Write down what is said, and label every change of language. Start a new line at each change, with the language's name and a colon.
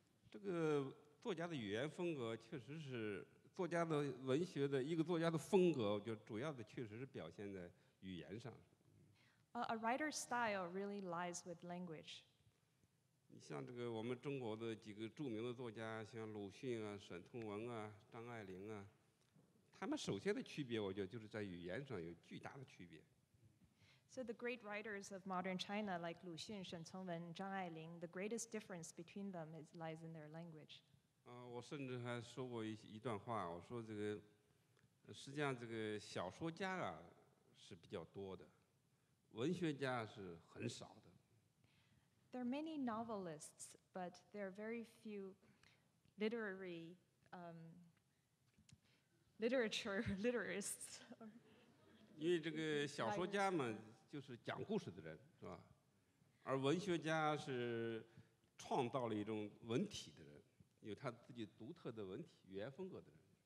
Chinese: 这个作家的语言风格确实是作家的文学的一个作家的风格，我觉得主要的确实是表现在语言上。
English: A writer's style really lies with language.
Chinese: 你像这个我们中国的几个著名的作家，像鲁迅啊、沈从文啊、张爱玲啊，他们首先的区别，我觉得就是在语言上有巨大的区别。
English: So the great writers of modern China, like 鲁迅、沈从文、张爱玲, the greatest difference between them is lies in their language.
Chinese: 我甚至还说过一段话，我说这个实际上这个小说家啊是比较多的，文学家是很少的。
English: There are many novelists, but there are very few literary literists.
Chinese: 因为这个小说家嘛，就是讲故事的人，是吧？而文学家是创造了一种文体的人，有他自己独特的文体、语言风格的人。